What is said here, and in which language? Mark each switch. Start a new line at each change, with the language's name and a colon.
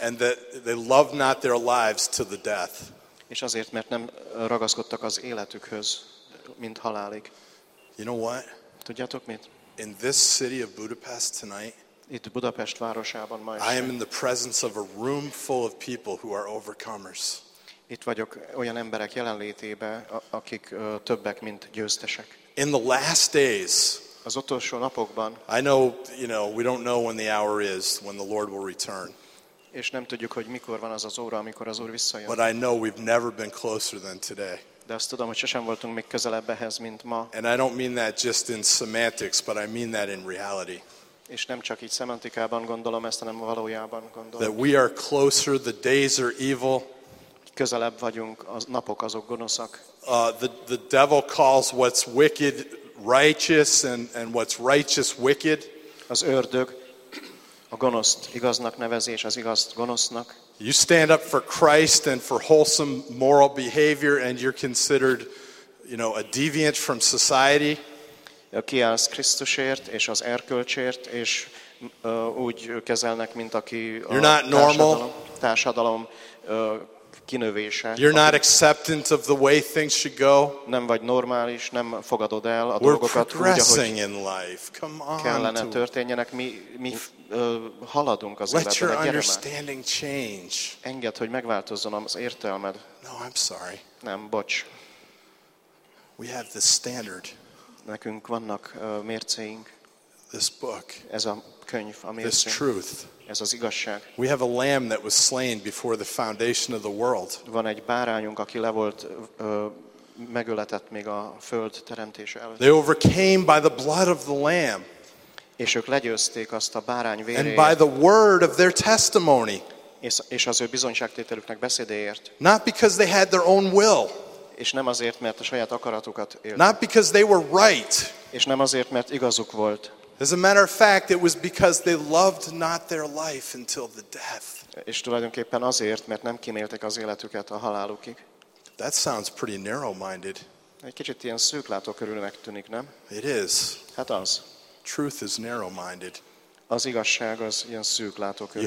English: And that they love not their lives to the death.
Hungarian: És azért, mert nem ragaszkodtak az életükhöz, mint halálig.
English: You know what?
Hungarian: Tudjátok mit?
English: In this city of Budapest tonight.
Hungarian: Itt Budapest városában ma este.
English: I am in the presence of a room full of people who are overcomers.
Hungarian: Itt vagyok olyan emberek jelenlétében, akik többek, mint győztesek.
English: In the last days.
Hungarian: Az utolsó napokban.
English: I know, you know, we don't know when the hour is when the Lord will return.
Hungarian: És nem tudjuk, hogy mikor van az az óra, amikor az Úr visszajön.
English: But I know we've never been closer than today.
Hungarian: De azt tudom, hogy sosem voltunk még közelebb ehhez, mint ma.
English: And I don't mean that just in semantics, but I mean that in reality.
Hungarian: És nem csak így szemantikában gondolom ezt, hanem valójában gondolom.
English: That we are closer, the days are evil.
Hungarian: Közelebb vagyunk, a napok azok gonoszak.
English: The devil calls what's wicked righteous and what's righteous wicked.
Hungarian: Az ördög a gonoszt igaznak nevezi, és az igazt gonosznak.
English: You stand up for Christ and for wholesome moral behavior and you're considered, you know, a deviant from society.
Hungarian: Aki az Krisztusért és az erkölcsért, és úgy kezelnek, mint aki a társadalom kinövése.
English: You're not acceptant of the way things should go.
Hungarian: Nem vagy normális, nem fogadod el a
English: We're
Hungarian: dolgokat
English: progressing
Hungarian: úgy, ahogy kellene történjenek. Mi haladunk az életben.
English: Let your understanding change.
Hungarian: Engedd, hogy megváltozzon az értelmed.
English: No, I'm sorry.
Hungarian: Nem, bocs.
English: We have the standard.
Hungarian: Nekünk vannak mércéink.
English: This book.
Hungarian: Ez a könyv, a mércé.
English: This truth.
Hungarian: Ez az igazság.
English: We have a lamb that was slain before the foundation of the world.
Hungarian: Van egy bárányunk, aki le volt megöletett még a föld teremtése előtt.
English: They overcame by the blood of the lamb.
Hungarian: És ők legyőzték azt a bárány véréért.
English: And by the word of their testimony.
Hungarian: És az ő bizonyságtételüknek beszédéért.
English: Not because they had their own will.
Hungarian: És nem azért, mert a saját akaratukat élték.
English: Not because they were right.
Hungarian: És nem azért, mert igazuk volt.
English: As a matter of fact, it was because they loved not their life until the death.
Hungarian: És tulajdonképpen azért, mert nem kímélték az életüket a halálukig.
English: That sounds pretty narrow-minded.
Hungarian: Egy kicsit ilyen szűklátókörűnek tűnik, nem?
English: It is.
Hungarian: Hát az.
English: Truth is narrow-minded.
Hungarian: Az igazság az ilyen szűklátókörű.